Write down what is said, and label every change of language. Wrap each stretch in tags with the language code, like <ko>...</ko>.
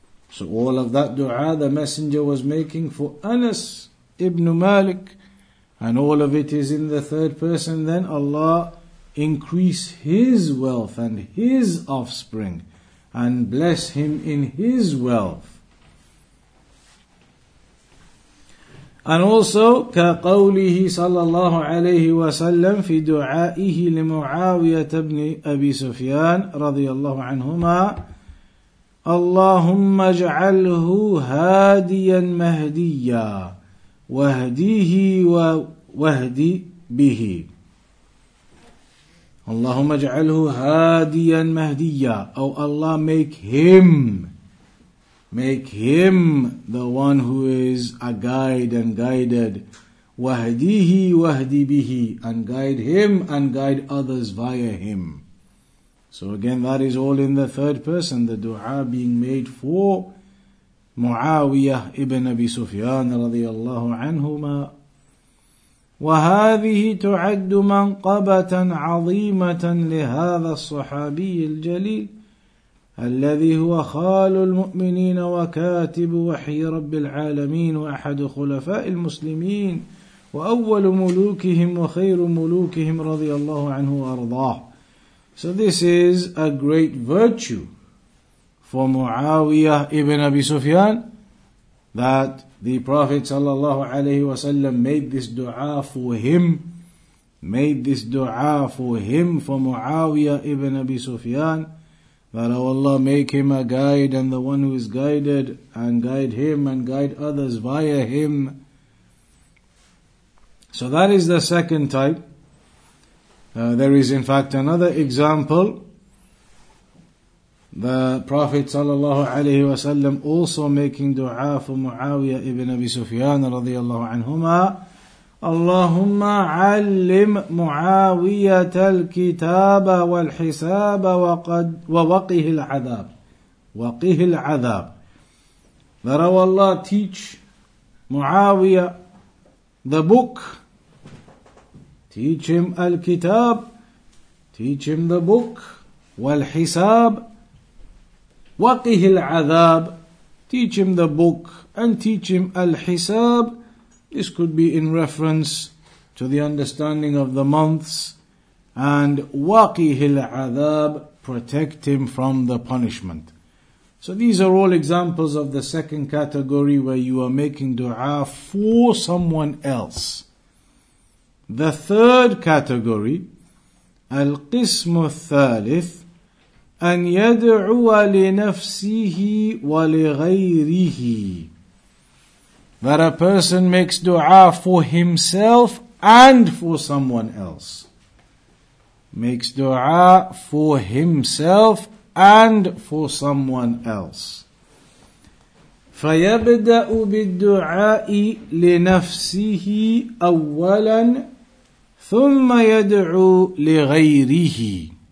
<en>So all of that dua the messenger was making for Anas ibn Malik, and all of it is in the third person, then Allah increase his wealth and his offspring and bless him in his wealth. And also,</en> <ar>كقوله صلى الله عليه وسلم في دعائه لمعاوية بن أبي سفيان رضي الله عنهما, اللهم اجعله هاديا مهديا واهديه واهدي به. اللهم اجعله هاديا مهديا, أو الله</ar> <en>make him the one who is a guide and guided.</en> <ar>Wahdihi wahdi bihi,</ar> <en>and guide him and guide others via him. So again, that is all in the third person, the dua being made for Muawiyah ibn Abi Sufyan radiyallahu anhuma.</en> <ar>وهذه تعد منقبة عظيمة لهذا الصحابي الجليل الذي هو خال المؤمنين وكاتب وحي رب العالمين وأحد خلفاء المسلمين وأول ملوكهم وخير ملوكهم رضي الله عنه وأرضاه.</ar> <en>So this is a great virtue for Muawiyah ibn Abi Sufyan, that the Prophet sallallahu alayhi wasallam made this dua for him, for Muawiyah ibn Abi Sufyan, that O Allah make him a guide and the one who is guided, and guide him and guide others via him. So that is the second type. There is in fact another example. The Prophet sallallahu alayhi wasallam also making dua for Muawiyah ibn Abi Sufyan radiyallahu anhuma.</en> <ar>اللهم علم معاوية الكتاب والحساب وقد ووقه العذاب وقه العذاب.</ar> <en>That O Allah teach Muawiyah the book, teach him al-kitab, teach him the book, wal-hisab,</en> <ar>waqih al-adhab,</ar> <en>teach him the book and teach him al-hisab. This could be in reference to the understanding of the months, and</en> <ar>waqih al-adhab,</ar> <en>protect him from the punishment. So these are all examples of the second category, where you are making dua for someone else. The third category,</en> <ar>القسم الثالث, أن يدعو لنفسه ولغيره.</ar> <en>That a person makes dua for himself and for someone else. Makes dua for himself and for someone else.</en> <ar>فَيَبْدَأُ بِالدُّعَاءِ لِنَفْسِهِ أَوَّلًا ثُمَّ يَدْعُو لِغَيْرِهِ.</ar>